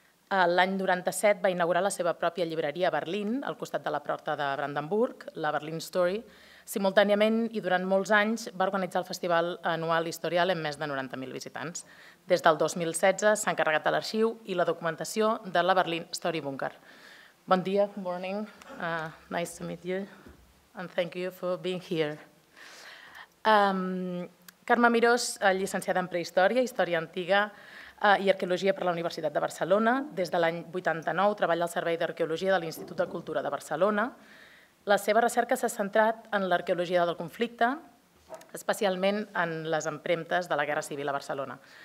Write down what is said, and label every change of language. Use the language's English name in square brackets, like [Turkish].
[Catalan] L'any 97 va inaugurar la seva pròpia llibreria a Berlín, al costat de la Porta de Brandenburg, la Berlin Story. Simultàniament i durant molts anys va organitzar el Festival Anual Historial amb més de 90.000 visitants. Des del 2016 s'ha encarregat de l'arxiu i la documentació de la Berlin Story Bunker. Bon dia, [English] good morning, nice to meet you, and thank you for being here. [Catalan] Carme Mirós, llicenciada en Prehistòria, Història Antiga i Arqueologia per la Universitat de Barcelona. Des de l'any 89 treballa al Servei d'Arqueologia de l'Institut de Cultura de Barcelona. La seva recerca s'ha centrat en l'arqueologia del conflicte, especialment en les empremtes de la Guerra Civil a Barcelona.